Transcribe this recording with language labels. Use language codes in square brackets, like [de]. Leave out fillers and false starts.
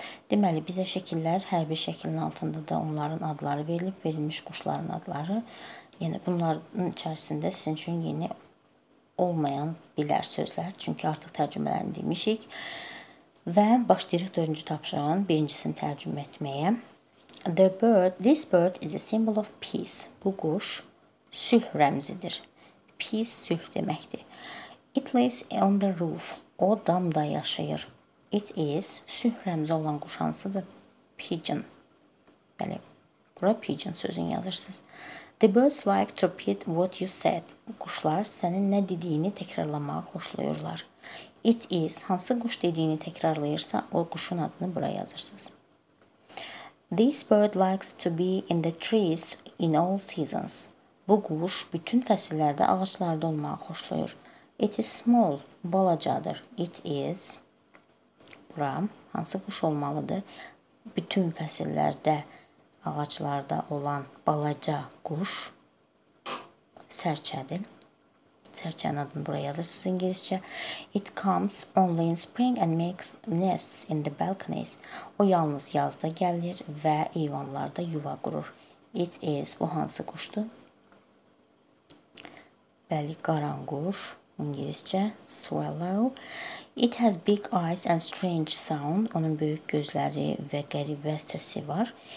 [az] Deməli, bizə şəkillər hər bir şəkilin altında da onların adları verilib, verilmiş quşların adları. Yəni, bunların içərisində sizin üçün yeni olmayan bilər sözlər. Çünki artıq tərcümələrini demişik. Və başlayırıq 4-cü tapşırığın birincisini tərcümə etməyə. [en] The bird, this bird is a symbol of peace. [az] Bu quş sülh rəmzidir. Peace sülh deməkdir. [en] It lives on the roof. [az] O damda yaşayır. It is sülh rəmzi olan quş hansıdır? Pigeon. Bəli, bura pigeon sözünü yazırsınız. [en] The birds like to repeat what you said. [az] Quşlar senin ne dediğini tekrarlamağı hoşlayırlar. It is, hansı quş dediğini tekrarlayırsa o quşun adını buraya yazırsınız. [en] This bird likes to be in the trees in all seasons. [az] Bu quş bütün fəsillərdə ağaçlarda olmağı xoşlayır. [en] It is small, [az] balacadır. It is, bura hansı quş olmalıdır? Bütün fəsillərdə ağaçlarda olan balaca quş, sərçədir. Sərçənin adını bura yazırsınız ingiliscə. [en] It comes only in spring and makes nests in the balconies. [az] O yalnız yazda gəlir və eyvanlarda yuva qurur. It is, bu hansı quşdur? Bəli, qaranquş, ingiliscə, swallow. [en] It has big eyes and strange sound. [az] Onun böyük gözləri və qəribə səsi var.